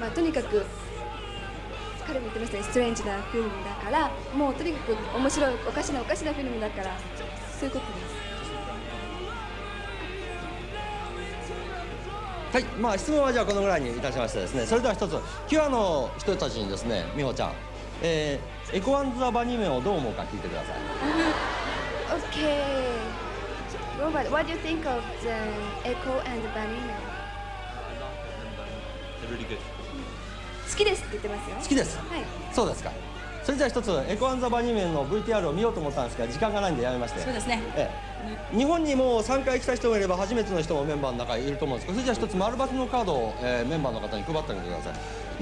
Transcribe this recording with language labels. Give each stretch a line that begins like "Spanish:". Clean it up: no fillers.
Japanese: まあ、とにかく彼も言ってましたね、ストレンジなフィルムだから、もうとにかく面白い、おかしなフィルムだから、そういうことです。はい、まあ質問はじゃあこのぐらいにいたしましてですね、それでは一つ、キュアの人たちにですね、美穂ちゃん、エコアンズ・ザ・バニーメンをどう思うか聞いてください。
English: OK。 Robert, what do you think of the Echo and the Bunnymen? I like them, they're really good.
Japanese: 好きですって言ってますよ。好きです。はい。そうですか。それじゃあ一つ、Echo and the Bunnymenの VTR を見ようと思ったんですが、時間がないんでやめまして。そうですね。日本にもう3回来た人もいれば、初めての人もメンバーの中にいると思うんですが、それじゃあ一つ、丸バツのカードを、メンバーの方に配ってあげてください。